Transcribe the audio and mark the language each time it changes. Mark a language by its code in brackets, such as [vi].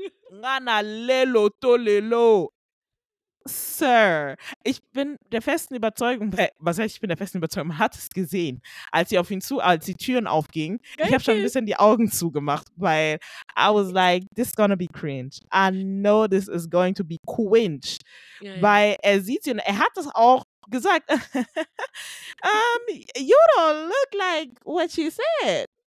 [de] Rana lelo tolelo. Sir, ich bin der festen Überzeugung, man hat es gesehen, als die Türen aufgingen. Ich habe schon ein bisschen die Augen zugemacht, weil [en] I was like, this is gonna be cringe. I know this is going to be cringe. [de] Weil er sieht sie und er hat das auch gesagt. [en] you don't look like what you said.